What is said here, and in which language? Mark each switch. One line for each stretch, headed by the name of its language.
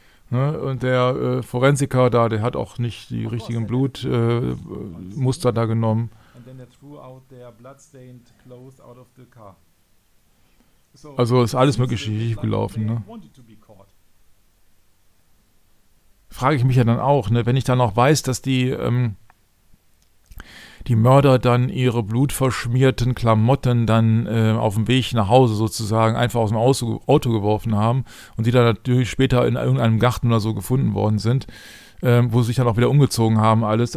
German: Ne, und der Forensiker da, der hat auch nicht die richtigen Blutmuster da genommen.
English: And then they threw out their bloodstained clothes out of the car.
German: Also ist alles möglich schief gelaufen. Ne? Frage ich mich ja dann auch, ne? Wenn ich dann auch weiß, dass die Mörder dann ihre blutverschmierten Klamotten dann auf dem Weg nach Hause sozusagen einfach aus dem Auto geworfen haben und die dann natürlich später in irgendeinem Garten oder so gefunden worden sind, wo sie sich dann auch wieder umgezogen haben alles.